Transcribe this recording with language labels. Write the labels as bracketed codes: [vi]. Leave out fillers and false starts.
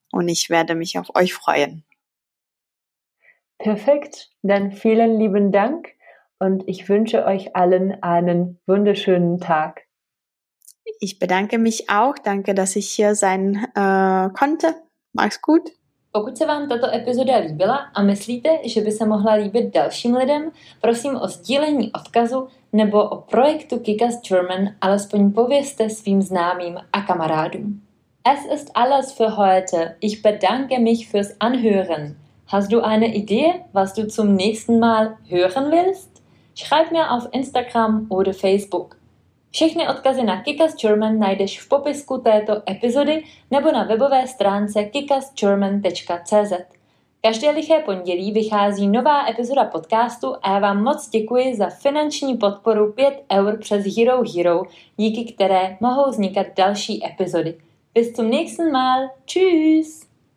[de] Und ich werde mich auf euch freuen. Perfekt, dann vielen lieben Dank und ich wünsche euch allen einen wunderschönen Tag. Ich bedanke mich auch, danke, dass ich hier sein konnte. Mach's gut. [cs] Pokud se vám tato epizoda líbila a myslíte, že by se mohla líbit dalším lidem, prosím o sdílení odkazu nebo o projektu Kickass German alespoň pověste svým známým a kamarádům. [de] Es ist alles für heute. Ich bedanke mich fürs Anhören. Hast du eine Idee, was du zum nächsten Mal hören willst? Schreib mir auf Instagram oder Facebook. [cs] Všechny odkazy na Kickass German najdeš v popisku této epizody nebo na webové stránce kickassgerman.cz. Každé liché pondělí vychází nová epizoda podcastu a já vám moc děkuji za finanční podporu 5 eur přes Hero Hero, díky které mohou vznikat další epizody. [de] Bis zum nächsten Mal. Tschüss!